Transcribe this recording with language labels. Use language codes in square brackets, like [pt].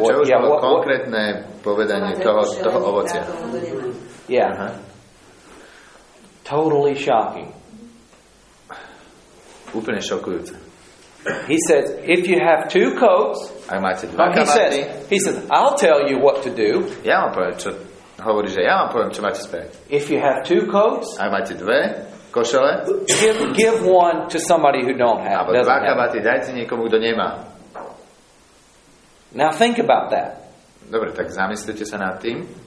[sk] čo už bolo konkrétne povedanie toho ovocia? [en] Yeah. Uh-huh. Totally shocking. [sk] Úplne šokujúce. [en] He says, if you have two coats, [sk] ak máte dva kabáty, [en] he says, I'll tell you what to do. [sk] Ja vám poviem, čo hovorí, že ja vám poviem, čo máte spraviť. [en] If you have two coats, [sk] ak máte dve košele, [en] give one to somebody who don't have. [sk] Alebo dva kabáty dajte niekomu, kto nemá. [en] Now think about that. [sk] Dobre, tak zamyslite sa nad tým.